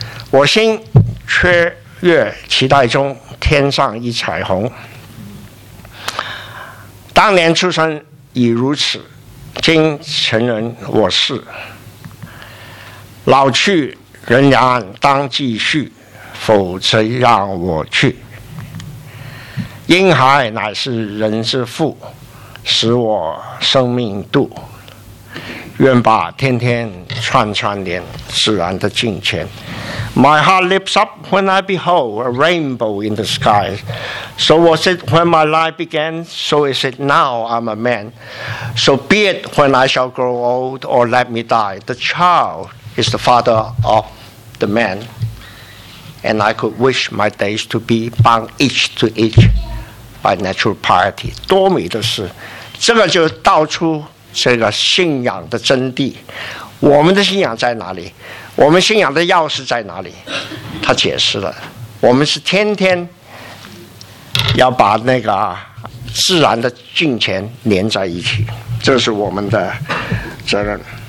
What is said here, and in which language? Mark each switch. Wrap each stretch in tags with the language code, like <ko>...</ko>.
<zh>我心雀跃期待中，天上一彩虹，当年出生已如此，今成人我是，老去仍然当继续，否则让我去。婴孩乃是人之父，使我生命度，愿把天天串串联，自然的敬虔。</zh> <en>My heart lifts up when I behold a rainbow in the sky. So was it when my life began, so is it now I'm a man. So be it when I shall grow old or let me die. The child is the father of the man. And I could wish my days to be bound each to each by natural piety.</en> <zh>多美的事，这个就道出这个信仰的真谛。我们的信仰在哪里？我们信仰的钥匙在哪里？他解释了，我们是天天要把那个自然的敬虔连在一起，这是我们的责任。</zh>